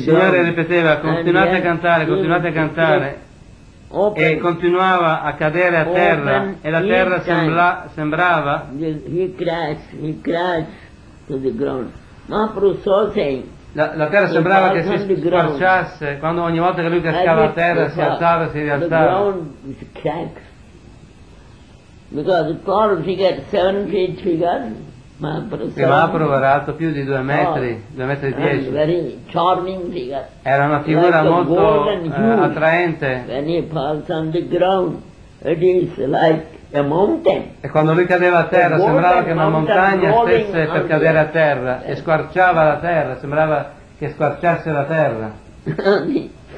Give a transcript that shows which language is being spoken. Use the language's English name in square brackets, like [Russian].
[Italian] Signore ripeteva, continuate a cantare, continuate a cantare, e continuava a cadere a terra, e la terra sembrava. [English] He crashed to the ground. Mahaprabhu saw saying, [Italian] La terra sembrava che si sparciasse, quando ogni volta che lui cascava a terra si alzava e si rialzava. [English] Because the tall figure, 7 feet figure, [Italian] Mahaprabhu era alto più di 2 metri, 2 metri 10. [English] Very charming figure. [Italian] Era una figura molto attraente. [English] When he falls on the ground, it is like a mountain. [Italian] E quando lui cadeva a terra, sembrava che una montagna stesse per cadere a terra, e squarciava la terra, sembrava che squarciasse la terra.